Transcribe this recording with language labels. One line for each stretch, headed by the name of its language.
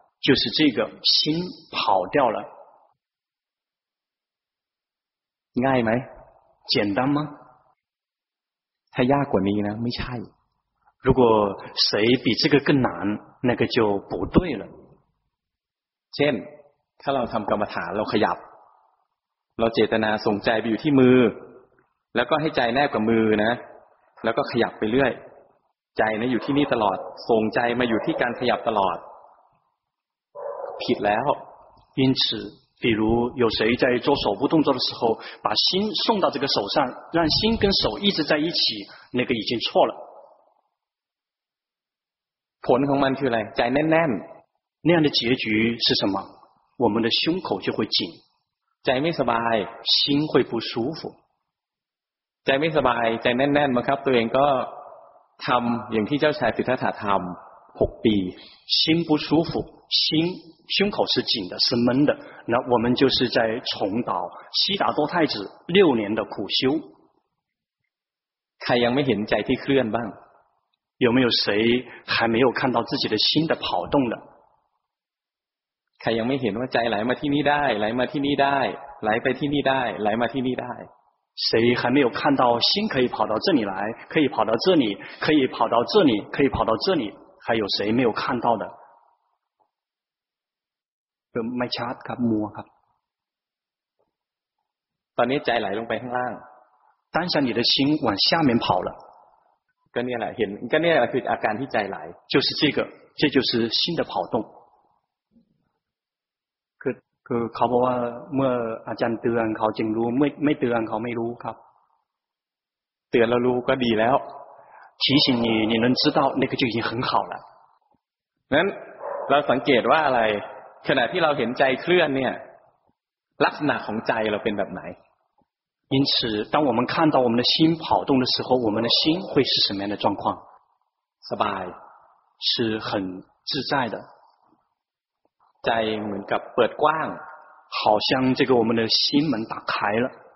Chinese: 就是这个心跑掉了
Thai: ง่ายไหม
Chinese: 简单吗
Thai: ถ้ายากกว่านี้นะไม่ใช่
Chinese: 如果谁比这个更难那个就不对了
Thai: เช่นถ้าเราทำกรรมฐานเราขยับเราเจตนาส่งใจไปอยู่ที่มือแล้วก็ให้ใจแนบกับมือนะแล้วก็ขยับไปเรื่อยใจนะอยู่ที่นี่ตลอดส่งใจมาอยู่ที่การขยับตลอดผิดแล้ว
Chinese: 因此比如有谁在做手部动作的时候把心送到这个手上让心跟手一直在一起那个已经错了
Thai: ผลของมันคืออะไรใจแน่น
Chinese: ๆ那样的结局是什么我们的胸口就会紧
Thai: ใจไม่สบาย
Chinese: 心会不舒服
Thai: ใจไม่สบายใจแน่นๆมาครับตัวเองก็ทำอย่างที่เจ้าชายสิทธัตถะทำ6ปี
Chinese: 心不舒服心胸口是紧的是闷的那我们就是在重蹈悉达多太子六年的苦修
Thai: ใครยังไม่เห็นใจที่เคลื่อนบ้าง
Chinese: 有没有谁还没有看到自己的心的跑动的？
Thai: ใครยังไม่เห็นว่าใจไหลมาที่นี่ได้ไหลมาที่นี่ได้ไหลไปที่นี่ได้ไหลมาที่นี่ได้
Chinese: 谁还没有看到心可以跑到这里来可以跑到这里可以跑到这里可以跑到这里还有谁没有看到的
Thai: ไม่ชัดครับมัวครับ ตอนนี้ใจไหลลงไปข้างล่าง
Chinese: 当下你的心往下面跑了
Thai: ก็เนี่ยแหละเห็นก็เนี่ยแหละคืออาการที่ใจไหล
Chinese: 就是这个这就是心的跑动
Thai: คือเขาบอกว่าเมื่ออาจารย์เตือนเขาจึงรู้ไม่เตือนเขาไม่รู้ครับ เตือนแล้วรู้ก็ดีแล้ว
Chinese: 提醒你你能知道那个就已经很好了
Thai: นั้นเราสังเกตว่าอะไรขณะที่เราเห็นใจเคลื่อนเนี่ยลักษณะของใจเราเป็นแบบไหน
Chinese: 因此当我们看到我们的心跑动的时候我们的心会是什么样的状况
Thai: สบาย
Chinese: 是很自在的
Thai: ใจเหมือนกับเปิดกว้าง
Chinese: 好像这个我们的心门打开了